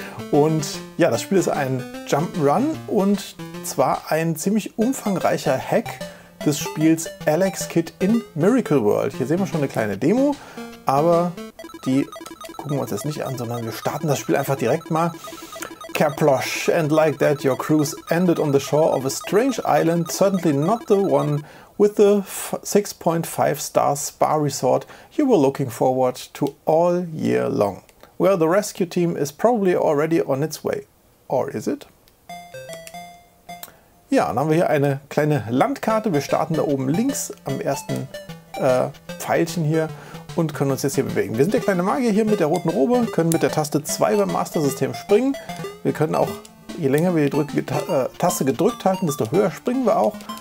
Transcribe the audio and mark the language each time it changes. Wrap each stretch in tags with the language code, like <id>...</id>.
<de>Und ja, das Spiel ist ein Jump'n'Run und zwar ein ziemlich umfangreicher Hack des Spiels Alex Kidd in Miracle World. Hier sehen wir schon eine kleine Demo, aber die gucken wir uns jetzt nicht an, sondern wir starten das Spiel einfach direkt mal.</de> <en>Kaplosh, and like that your cruise ended on the shore of a strange island, certainly not the one with the 6.5 star spa resort you were looking forward to all year long. Well, the rescue team is probably already on its way. Or is it?</en> <de>Ja, dann haben wir hier eine kleine Landkarte. Wir starten da oben links am ersten Pfeilchen hier und können uns jetzt hier bewegen. Wir sind der kleine Magier hier mit der roten Robe, können mit der Taste 2 beim Master System springen. Wir können auch, je länger wir die Taste gedrückt halten, desto höher springen wir auch.</de>